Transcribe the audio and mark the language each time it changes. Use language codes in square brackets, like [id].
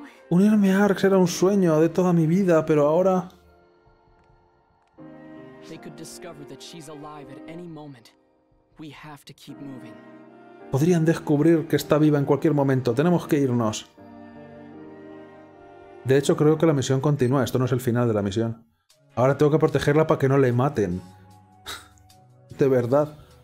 [es] Unirme a Arx era un sueño de toda mi vida, pero ahora... [en] They could discover that she's alive at any moment. We have to keep moving. [es] Podrían descubrir que está viva en cualquier momento. Tenemos que irnos. De hecho, creo que la misión continúa. Esto no es el final de la misión. Ahora tengo que protegerla para que no le maten. De verdad.